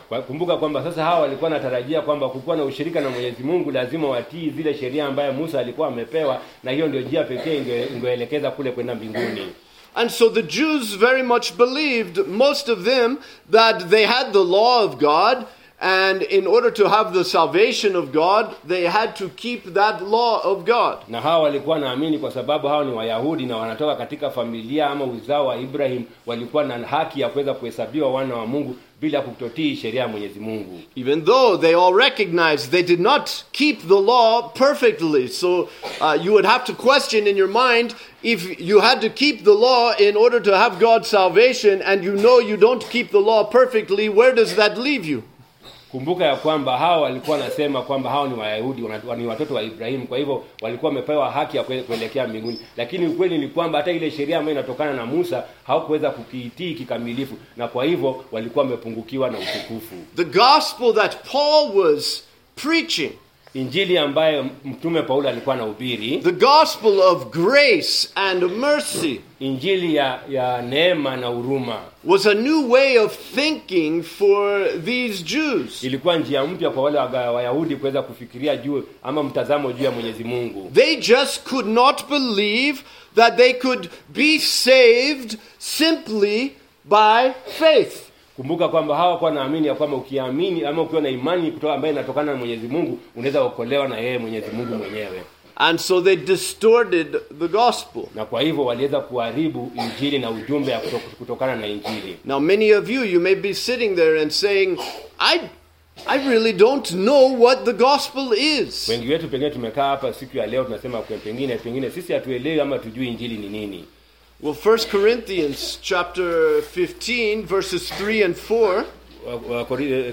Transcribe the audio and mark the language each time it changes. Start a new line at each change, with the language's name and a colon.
Swahili: Kumbuka kwamba sasa hawa walikuwa natarajia kwamba kukua na ushirika na Mwenyezi Mungu lazima watii zile sheria ambayo Musa alikuwa amepewa, na hiyo ndio njia pekee ingeelekeza kule kwenda mbinguni.
English: And so the Jews very much believed, most of them, that they had the law of God. And in order to have the salvation of God, they had to keep that law of God.
Swahili: Na hawa walikuwa naamini kwa sababu hawa ni Wayahudi na wanatoka katika familia ama uzao wa Ibrahim, walikuwa na haki ya kuweza kuhesabiwa wana wa Mungu bila kutotii sheria ya Mwenyezi Mungu.
English: Even though they all recognized they did not keep the law perfectly. So you would have to question in your mind, if you had to keep the law in order to have God's salvation and you know you don't keep the law perfectly, where does that leave you?
Swahili: Kumbuka ya kwamba hao walikuwa nasema kwamba hao ni Wayahudi, ni watoto wa Ibrahim, kwa hivyo walikuwa wamepewa haki ya kuelekea mbinguni. Lakini ukweli ni kwamba hata ile sheria ambayo inatokana na Musa hawakuweza kukiitii kikamilifu, na kwa hivyo walikuwa wamepungukiwa na utukufu.
English: The gospel that Paul was preaching,
Swahili: injili ambayo mtume Paulo alikuwa anahubiri,
English: the gospel of grace and mercy,
Swahili: injili ya neema na huruma,
English: was a new way of thinking for these Jews.
Swahili: Ilikuwa njia mpya kwa wale Wayahudi kuweza kufikiria juu ama mtazamo juu ya Mwenyezi Mungu.
English: They just could not believe that they could be saved simply by faith.
Swahili: Kumbuka kwamba hawa kwa naamini ya kwamba ukiamini ama ukiwa na imani kutoka ambayo inatokana na Mwenyezi Mungu unaweza kuokolewa na yeye Mwenyezi Mungu mwenyewe.
English: And so they distorted the gospel.
Swahili: Na kwa hivyo waliweza kuharibu injili na ujumbe ya kutokana na injili.
English: Now many of you may be sitting there and saying, I really don't know what the gospel is.
Swahili: Wengi wetu pengine tumekaa hapa siku ya leo tunasema kwa pengine sisi hatuelewi ama tujui injili ni nini.
English: Well, 1 Corinthians chapter 15 verses 3 and 4.